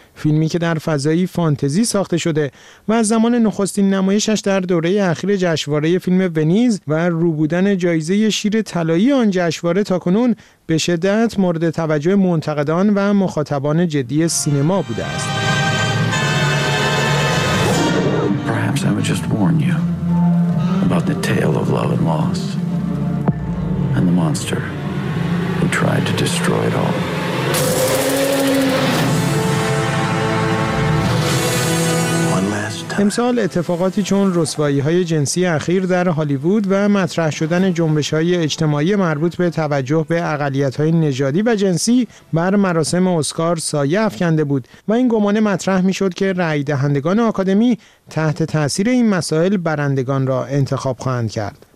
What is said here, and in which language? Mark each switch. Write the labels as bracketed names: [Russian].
[Persian] فیلمی که در فضای فانتزی ساخته شده و از زمان نخستین نمایشش در دوره اخیر جشنواره فیلم ونیز و روبودن جایزه شیر طلایی آن جشنواره تاکنون به شدت مورد توجه منتقدان و مخاطبان جدی سینما بوده است. [English] Perhaps I would just warn you about the tale of love and loss and the monster who tried to destroy it all. [Persian] امسال اتفاقاتی چون رسوایی‌های جنسی اخیر در هالیوود و مطرح شدن جنبش‌های اجتماعی مربوط به توجه به اقلیت‌های نژادی و جنسی بر مراسم اسکار سایه افکنده بود و این گمان مطرح می‌شد که رأی دهندگان آکادمی تحت تأثیر این مسائل برندگان را انتخاب خواهند کرد.